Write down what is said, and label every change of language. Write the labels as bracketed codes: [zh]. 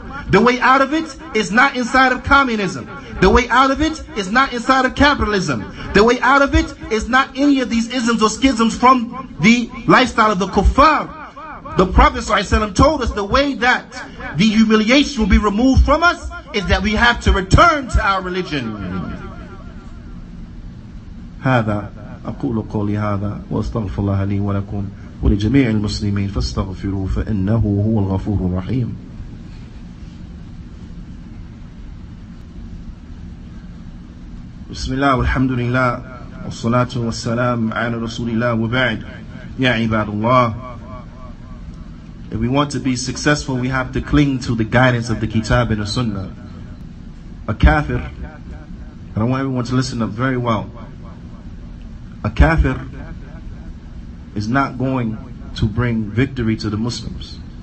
[en] The way out of it is not inside of communism. The way out of it is not inside of capitalism. The way out of it is not any of these isms or schisms from the lifestyle of the kuffar. The Prophet ﷺ told us the way that the humiliation will be removed from us is that we have to return to our religion. [ar] هذا أقول قولي هذا وأستغفر الله لي ولكم ولجميع المسلمين فاستغفروا فإنه هو الغفور الرحيم. بسم الله والحمد لله والصلاة والسلام على رسول الله وبعد يا عباد الله. [en] If we want to be successful, we have to cling to the guidance of the Kitab and the Sunnah. A kafir, and I want everyone to listen up very well. A kafir is not going to bring victory to the Muslims.